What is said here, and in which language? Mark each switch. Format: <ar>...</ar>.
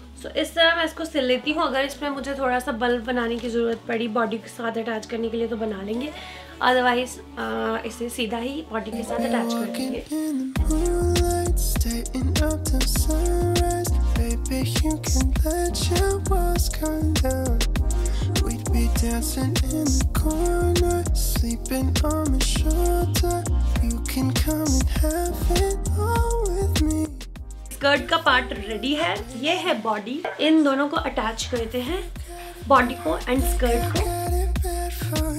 <hi>सो इस तरह मैं इसको सिल लेती हूँ. अगर इसमें मुझे थोड़ा सा बल्ब बनाने की ज़रूरत पड़ी बॉडी के साथ अटैच करने के लिए तो बना लेंगे, अदरवाइज इसे सीधा ही बॉडी के साथ अटैच कर लेंगे.</hi> <en>Dancing in the corner, sleeping on my shoulder. You can come and have it all with me.</en> <hi>Skirt का part ready है, ये है body. इन दोनों को attach करते हैं, body को and skirt को.</hi>